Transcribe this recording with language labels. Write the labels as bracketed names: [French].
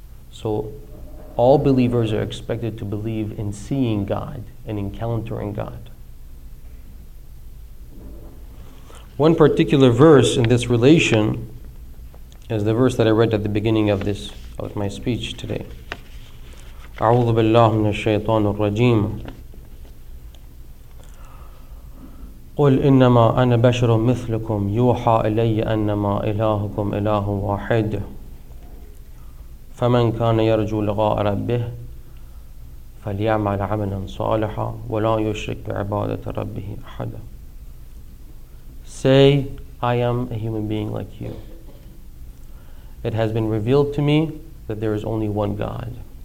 [English] So all believers are expected to believe in seeing God and encountering God. One particular verse in this relation is the verse that I read at the beginning of this of my speech today. [Arabic] أعوذ بالله من الشيطان الرجيم قل إنما أنا بشر مثلكم يوحى إلي أنما إلهكم إله واحد فمن كان يرجو لقاء ربه فليعمل عملا صالحا ولا يشرك بعبادة ربه أحدا. [English] Say, I am a human being like you. It has been revealed to me that there is only one God.